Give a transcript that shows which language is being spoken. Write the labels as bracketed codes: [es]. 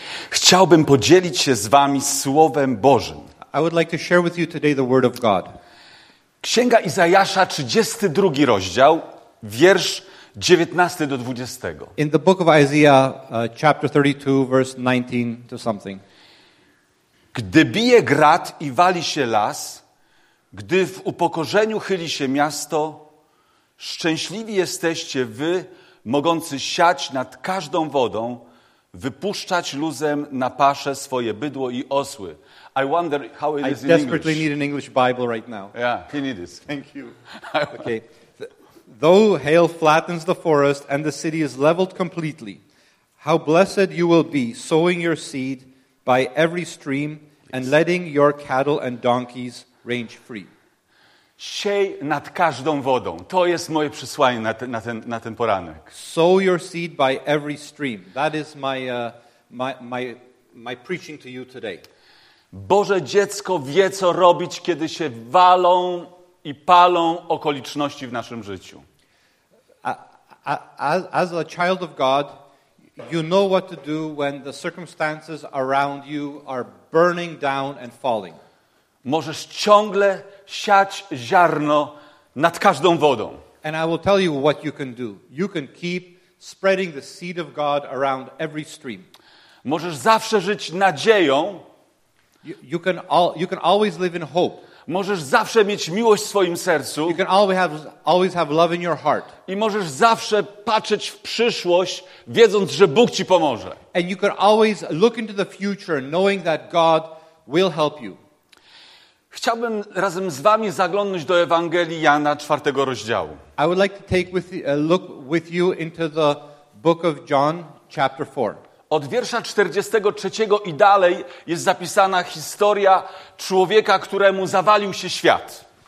[pl] Chciałbym podzielić się z wami Słowem Bożym. [en] I would like to share with you today the word of God. [pl] Księga Izajasza, 32 rozdział, wiersz 19 do 20. [en] In the book of Isaiah, chapter 32, verse 19 to something. [pl] Gdy bije grat i wali się las, gdy w upokorzeniu chyli się miasto, szczęśliwi jesteście wy, mogący siać nad każdą wodą, wypuszczać luzem na pasze swoje bydło i osły. [en] I wonder how it is in English. I desperately need an English Bible right now. Yeah, he needs it. Thank you. Okay. Though hail flattens the forest and the city is leveled completely, how blessed you will be sowing your seed by every stream and letting your cattle and donkeys range free. [pl] Siej nad każdą wodą. To jest moje przesłanie na ten poranek. [en] Sow your seed by every stream. That is my preaching to you today. [pl] Boże dziecko wie, co robić, kiedy się walą i palą okoliczności w naszym życiu. [en] As a child of God, you know what to do when the circumstances around you are burning down and falling. [pl] Możesz ciągle siać ziarno nad każdą wodą. [en] And I will tell you what you can do. You can keep spreading the seed of God around every stream. [pl] Możesz zawsze żyć nadzieją. [en] You can always live in hope. [pl] Możesz zawsze mieć miłość w swoim sercu. [en] You can always have love in your heart. [pl] I możesz zawsze patrzeć w przyszłość, wiedząc, że Bóg ci pomoże. [en] And you can always look into the future, knowing that God will help you. [pl] Chciałbym razem z wami zaglądnąć do Ewangelii Jana, 4 rozdziału. [en] I would like to take look with you into the book of John, chapter 4. [pl] Od wiersza 43 i dalej jest zapisana historia człowieka, któremu zawalił się świat.